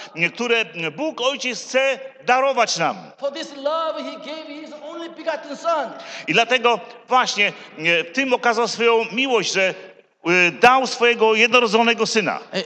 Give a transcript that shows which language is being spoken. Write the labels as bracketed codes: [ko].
[pl] Niektóre Bóg Ojciec chce darować nam. [en] For this love he gave his only begotten son. [pl] I dlatego właśnie w tym okazał swoją miłość, że dał swojego jednorodzonego syna.